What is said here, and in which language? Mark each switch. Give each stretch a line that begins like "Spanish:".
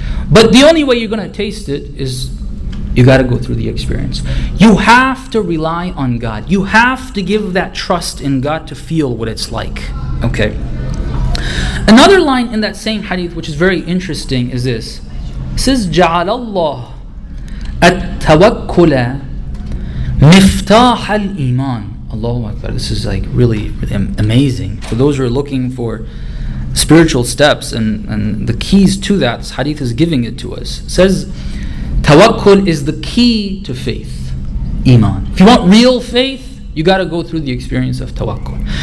English: But the only way you're going to taste it is you got to go through the experience. You have to rely on God. You have to give that trust in God to feel what it's like. Okay. Another line in that same hadith, which is very interesting, is this. It says,
Arabic: جَعَلَ اللَّهُ التَوَكُّلَ مِفْتَاحَ الْإِيمَانِ.
English: Allahu Akbar. This is like really, really amazing. For those who are looking for spiritual steps and the keys to that, this hadith is giving it to us. It says, tawakkul is the key to faith, iman. If you want real faith, you got to go through the experience of tawakkul.